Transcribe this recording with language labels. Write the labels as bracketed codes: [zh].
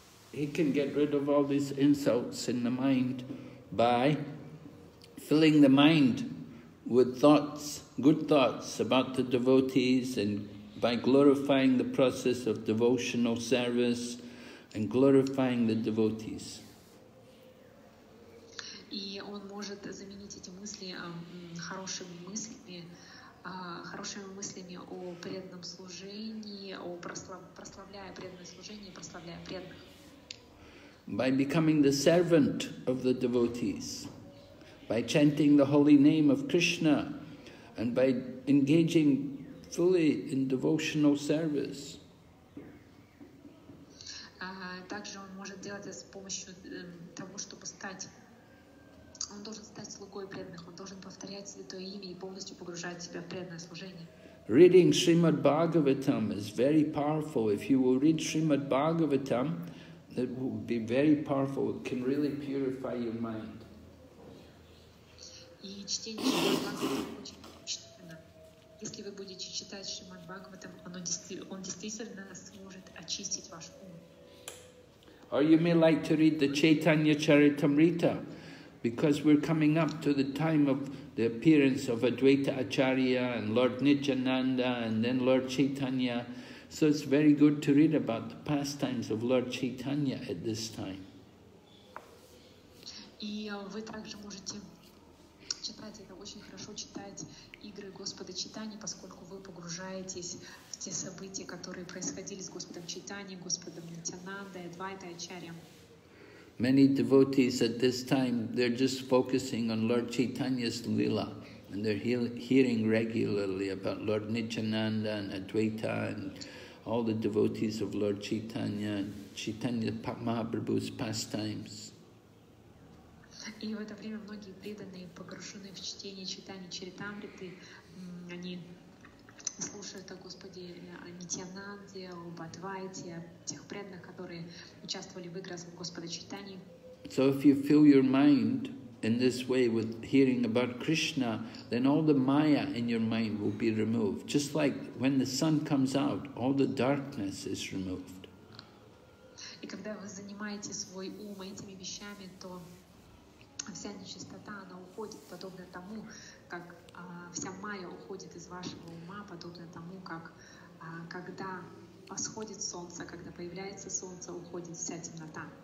[en] He can get rid of all these insults in the mind by filling the mind with thoughts, good thoughts about the devotees, and by glorifying the process of devotional service and glorifying the devotees. [ru] И он может заменить эти мысли хорошими мыслями о преданном служении, о прославляя преданное служение, прославляя преданных. [en] By becoming the servant of the devotees, by chanting the holy name of Krishna, and by engaging fully in devotional service. [ru] Также он может делать это с помощью того, чтобы стать. Он должен стать слугой преданных. Он должен повторять святое имя и полностью погружать себя в преданное служение. [en] Reading Srimad Bhagavatam is very powerful. If you will read Srimad Bhagavatam, it will be very powerful. It can really purify your mind. [ru] И чтение Шримад Бхагаватам очень мощно. Если вы будете читать Шримад Бхагаватам, он действительно сможет очистить ваш ум. [en] Or you may like to read the Chaitanya Charitamrita, because we're coming up to the time of the appearance of Advaita Acharya and Lord Nityananda and then Lord Chaitanya. So it's very good to read about the pastimes of Lord Chaitanya at this time. [ru] И вы также можете читать, это очень хорошо читать игры Господа Чайтаньи, поскольку вы погружаетесь в те события, которые происходили с Господом Чайтаньей, Господом Нитянандой, Адвайтой Ачарьей. [en] Many devotees at this time, they're just focusing on Lord Chaitanya's Leela, and they're hearing regularly about Lord Nityananda and Advaita and all the devotees of Lord Chaitanya, Chaitanya Mahaprabhu's pastimes. [ru] И в это время многие преданные, погружённые в чтение Чайтаньи Чаритамриты, они слушают о Господе Нитьянанде, об Адвайте, тех преданных, которые участвовали в играх Господа Чайтаньи. [en] So if you fill your mind in this way with hearing about Krishna, then all the maya in your mind will be removed. Just like when the sun comes out, all the darkness is removed. [ru] И когда вы занимаете свой ум этими вещами, то вся нечистота, она уходит, подобно тому, как вся майя уходит из вашего ума, подобно тому, как когда восходит солнце, когда появляется солнце, уходит вся темнота.